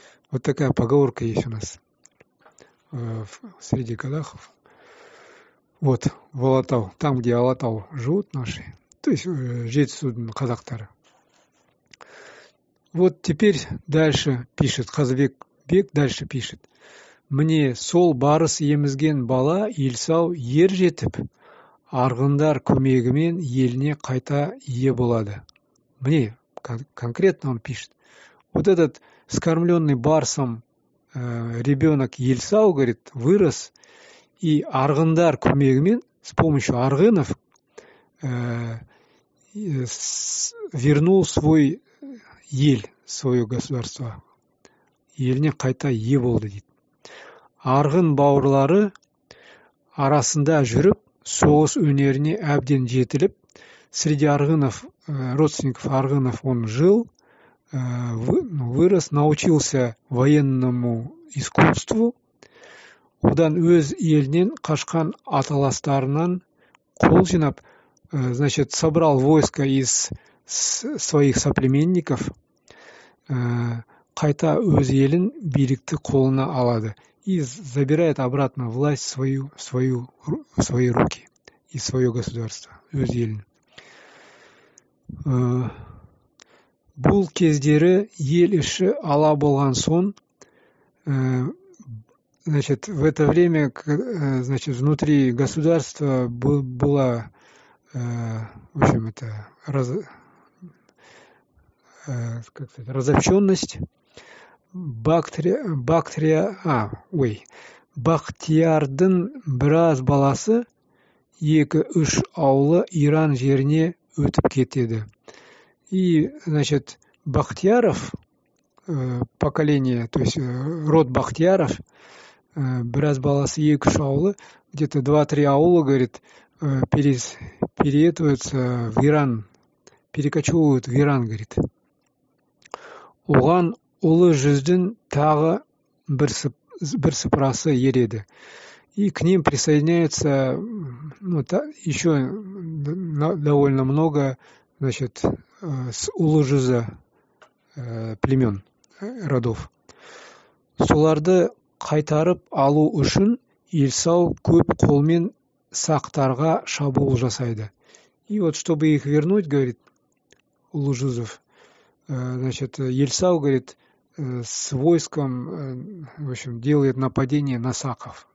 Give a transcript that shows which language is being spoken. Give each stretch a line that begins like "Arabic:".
Russian: Вот такая поговорка есть у нас среди казахов. Вот, в Алатау, там, где Алатау живут наши, то есть жетісудың казахтары. Вот теперь дальше пишет Қазыбек Бек, дальше пишет.
Kazakh: Міне сол барыс емізген бала елсау ер жетіп, арғындар көмегімен еліне қайта ие болады.
Russian: Міне, конкретно он пишет. Вот этот скормленный барсом ребенок елсау, говорит, вырос, и
Kazakh: арғындар көмегімен,
Russian: с помощью арғынов, вернул свой ел, свое государство.
Kazakh: Еліне қайта ие болды, дейді. Арғын бауырлары арасында жүріп, соғыс өнеріне әбден жетіліп,
Russian: среди арғынов, родственников арғынов он жил, вырос, научился военному искусству.
Kazakh: Одан өз елінен қашқан аталастарынан қол жинап,
Russian: значит, собрал войско из своих соплеменников,
Kazakh: қайта өз елін билікті қолына алады
Russian: и забирает обратно власть свои руки и свое государство,
Kazakh: өз елін. Бұл кездері ел іші ала болған соң,
Russian: значит, в это время, значит, внутри государства было, в общем, это как сказать, разобщенность.
Kazakh: Бахтиярдың біраз баласы 2-3 аулы Иран жеріне өтіп кетеді.
Russian: И, значит, Бахтияров, поколение, то есть род Бахтияров,
Kazakh: біраз баласы 2-3 аулы,
Russian: где-то 2-3 аулы, говорит, переетуются в Иран, перекочевывают в Иран, говорит.
Kazakh: Оған ұлы жүздің тағы бірсыпырасы ереді.
Russian: И к ним присоединяется, ну, еще довольно много, значит, с ұлы жүзі племен, родов.
Kazakh: Соларды қайтарып алу үшін елсау көп қолмен сақтарға шабуыл жасайды.
Russian: И вот, чтобы их вернуть, говорит Улужузов, значит, Ельсау, говорит, с войском, в общем, делает нападение на саков.